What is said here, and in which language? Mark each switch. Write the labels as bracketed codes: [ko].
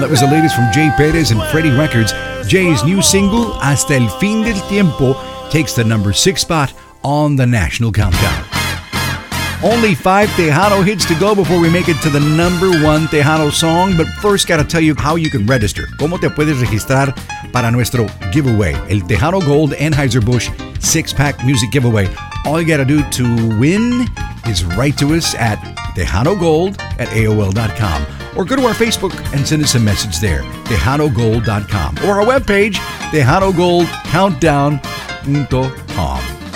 [en] That was the latest from Jay Perez and Freddie Records. Jay's new single, Hasta el Fin del Tiempo, takes the number 6 spot on the national countdown. Only 5 Tejano hits to go before we make it to the number 1 Tejano song. But first, gotta tell you how you can register. [es] ¿Cómo te puedes registrar para nuestro giveaway? [en] El Tejano Gold Anheuser-Busch 6-pack music giveaway. All you gotta do to win is write to us at TejanoGold@AOL.com. Or go to our Facebook and send us a message there, TejanoGold.com. Or our webpage, TejanoGoldCountdown.com.